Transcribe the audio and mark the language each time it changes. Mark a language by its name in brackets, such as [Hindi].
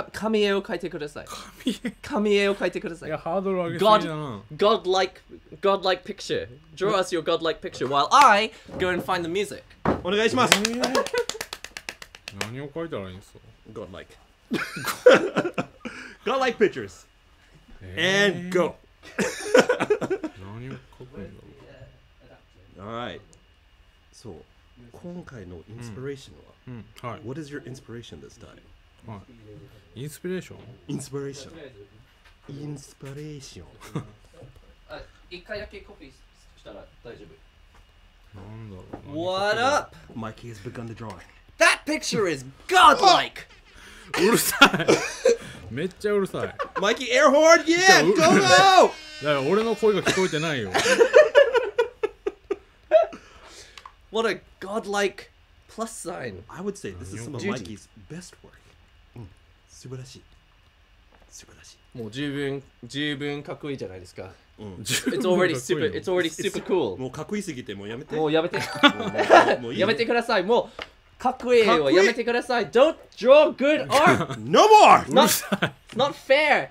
[Japanese] 紙絵を描いてください。紙絵を描いてください。いや、ハードル上げすぎだな。 [English] God-like picture. Draw us your God-like picture while I go and find the music. [Japanese] お願いします。何を描いたらいいんですか [English] ?God-like。 God-like pictures. And go. [Japanese] 何を描くんだろう [English] Alright. [Japanese] So, 今回のインスピレーションは、はい。 [English] What is your inspiration this time? [Japanese] はい。インスピレーション? インスピレーション。インスピレーション。一回だけコピーしたら大丈夫。なんだろう。 [English] What up? Mikey has begun the drawing. That picture is godlike! [Japanese] うるさい。めっちゃうるさい。 [English] Mikey air horn? Yeah! Go go! [Japanese] だから俺の声が聞こえてないよ。 [English] What a godlike plus sign. I would say this is some of Mikey's best work. [Japanese] Subarashi. Subarashi. もう十分かっこいいじゃないですか。 [English] It's already super cool. [Japanese] もうかっこいいすぎてもうやめて。もうやめて。やめてください。もうかっこいいをやめてください。 [English] Don't draw good art. No more. Not fair.